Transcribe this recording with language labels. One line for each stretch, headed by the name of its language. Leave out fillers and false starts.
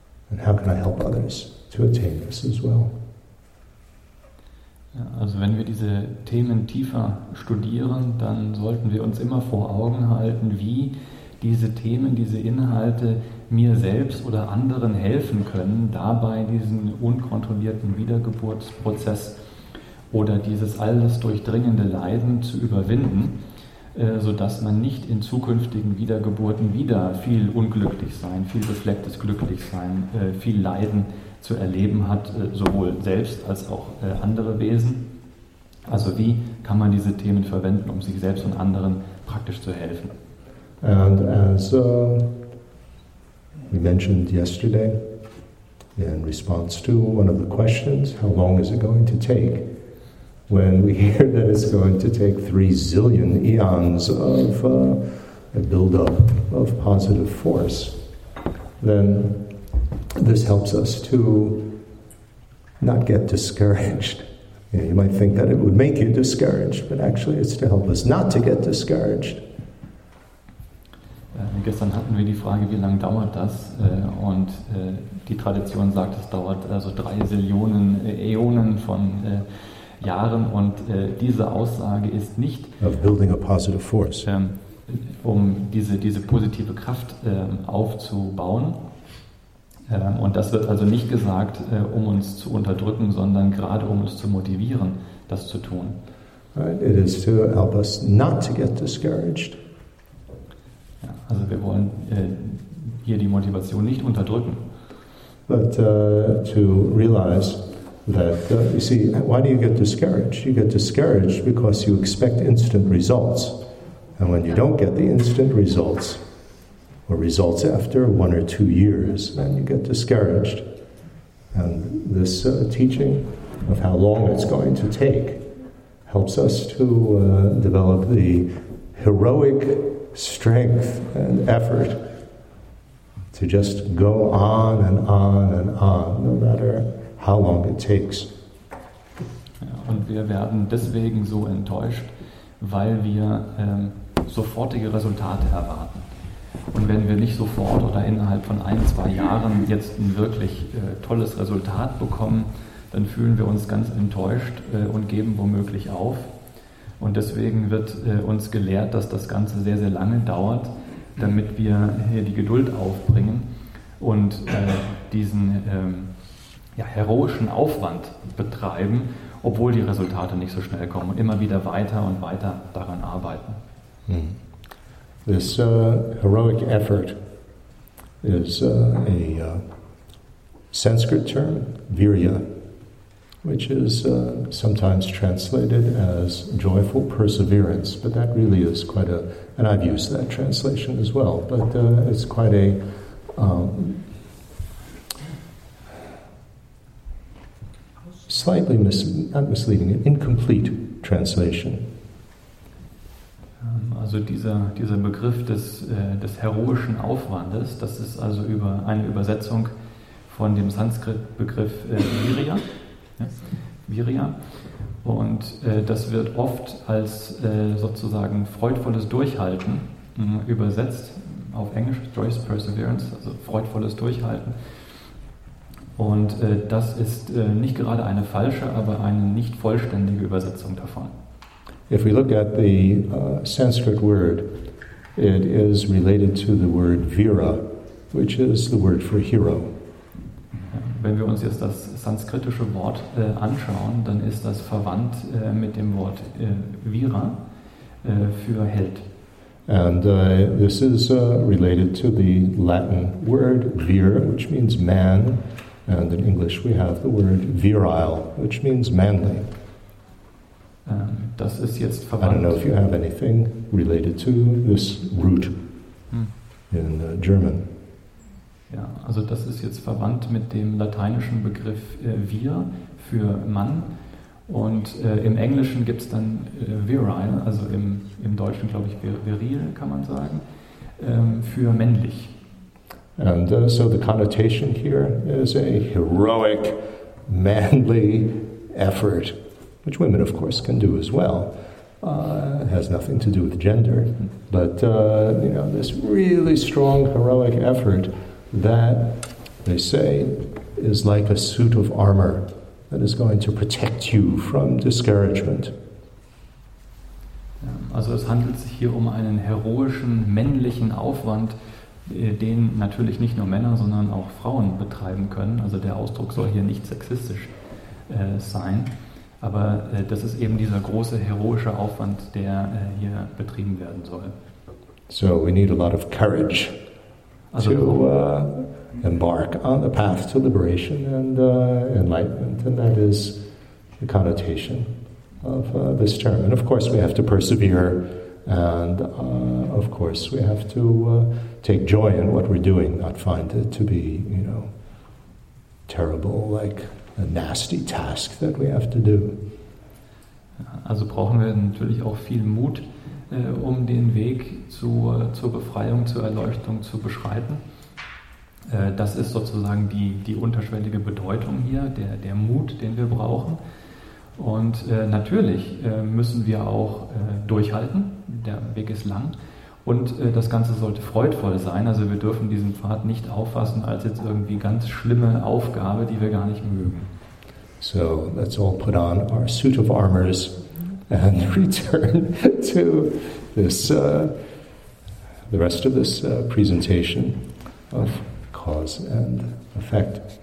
English: And how can I help others to attain this as well?
German: Ja, also wenn wir diese Themen tiefer studieren, dann sollten wir uns immer vor Augen halten, wie diese Themen, diese Inhalte mir selbst oder anderen helfen können, dabei diesen unkontrollierten Wiedergeburtsprozess oder dieses alles durchdringende Leiden zu überwinden, sodass man nicht in zukünftigen Wiedergeburten wieder viel unglücklich sein, viel beflecktes glücklich sein, viel Leiden zu erleben hat, sowohl selbst als auch andere Wesen. Also wie kann man diese Themen verwenden, um sich selbst und anderen praktisch zu helfen?
English: And as we mentioned yesterday in response to one of the questions, how long is it going to take? When we hear that it's going to take 3 zillion eons of a buildup of positive force, then this helps us to not get discouraged. You know, you might think that it would make you discouraged, but actually it's to help us not to get discouraged.
German: Gestern hatten wir die Frage, wie lange dauert das? Und die Tradition sagt, es dauert also 3 Zillionen Äonen von Jahren. Und diese Aussage ist nicht,
English: of building a positive force.
German: Um diese positive Kraft aufzubauen. Und das wird also nicht gesagt, um uns zu unterdrücken, sondern gerade um uns zu motivieren, das zu tun.
English: Right. It is to help us not to get discouraged.
German: Ja, also wir wollen hier die Motivation nicht unterdrücken.
English: But to realize that, you see, why do you get discouraged? You get discouraged because you expect instant results. And when you don't get the instant results, or results after 1 or 2 years, then you get discouraged. And this teaching of how long it's going to take helps us to develop the heroic strength and effort to just go on and on and on, no matter how long it takes.
German: Ja, und wir werden deswegen so enttäuscht, weil wir sofortige Resultate erwarten. Und wenn wir nicht sofort oder innerhalb von 1-2 Jahren jetzt ein wirklich tolles Resultat bekommen, dann fühlen wir uns ganz enttäuscht und geben womöglich auf. Und deswegen wird uns gelehrt, dass das Ganze sehr, sehr lange dauert, damit wir hier die Geduld aufbringen und diesen heroischen Aufwand betreiben, obwohl die Resultate nicht so schnell kommen, und immer wieder weiter und weiter daran arbeiten. Hmm.
English: This heroic effort is a Sanskrit term, virya, which is sometimes translated as joyful perseverance, but that really is quite a, and I've used that translation as well, but it's quite a, slightly, not misleading, an incomplete translation.
German: Also dieser Begriff des heroischen Aufwandes, das ist also über eine Übersetzung von dem Sanskrit-Begriff virya. Ja, virya. Und das wird oft als sozusagen freudvolles Durchhalten übersetzt, auf Englisch,
English: joyous perseverance,
German: also freudvolles Durchhalten. Und das ist nicht gerade eine falsche, aber eine nicht vollständige Übersetzung davon.
English: If we look at the Sanskrit word, it is related to the word vira, which is the word for hero.
German: Wenn wir uns jetzt das sanskritische Wort anschauen, dann ist das verwandt mit dem Wort vira für Held.
English: And this is related to the Latin word vir, which means man. And in English we have the word virile, which means manly.
German: Das ist jetzt verwandt.
English: I don't know if you have anything related to this root in German.
German: Ja, also das ist jetzt verwandt mit dem lateinischen Begriff vir für Mann. Und im Englischen gibt es dann virile, also im Deutschen glaube ich viril, kann man sagen, für männlich.
English: And so the connotation here is a heroic, manly effort, which women of course can do as well. It has nothing to do with gender. But you know, this really strong heroic effort that, they say, is like a suit of armor that is going to protect you from discouragement.
German: Also es handelt sich hier um einen heroischen, männlichen Aufwand, den natürlich nicht nur Männer, sondern auch Frauen betreiben können. Also der Ausdruck soll hier nicht sexistisch sein. Aber das ist eben dieser große, heroische Aufwand, der hier betrieben werden soll.
English: So we need a lot of courage. Also, to embark on the path to liberation and enlightenment, and that is the connotation of this term. And of course, we have to persevere And of course, we have to take joy in what we're doing, not find it to be, you know, terrible, like a nasty task that we have to do.
German: Also brauchen wir natürlich auch viel Mut, um den Weg zur Befreiung, zur Erleuchtung zu beschreiten. Das ist sozusagen die unterschwellige Bedeutung hier, der Mut, den wir brauchen. Und natürlich müssen wir auch durchhalten, der Weg ist lang. Und das Ganze sollte freudvoll sein, also wir dürfen diesen Pfad nicht auffassen als jetzt irgendwie ganz schlimme Aufgabe, die wir gar nicht mögen.
English: So, let's all put on our suit of armors and return to this, the rest of this presentation of cause and effect.